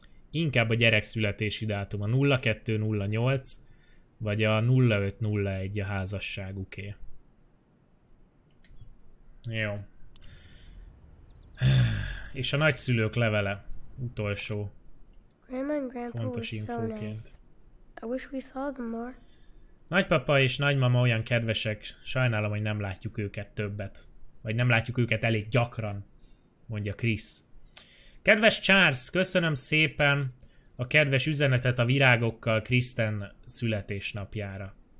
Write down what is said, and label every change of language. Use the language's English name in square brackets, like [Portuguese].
[Hungarian] Inkább a gyerek születési dátuma 0208, vagy a 0501 a házasságuké. Jó. És a nagyszülők levele utolsó. [English] Grandma and Grandpa [Hungarian] fontos infóként. [English] So nice. I wish we saw them more. [Hungarian] Nagypapa és nagymama olyan kedvesek, sajnálom, hogy nem látjuk őket többet. Vagy nem látjuk őket elég gyakran, mondja Chris. Kedves Charles, köszönöm szépen a kedves üzenetet a virágokkal Kristen születésnapjára.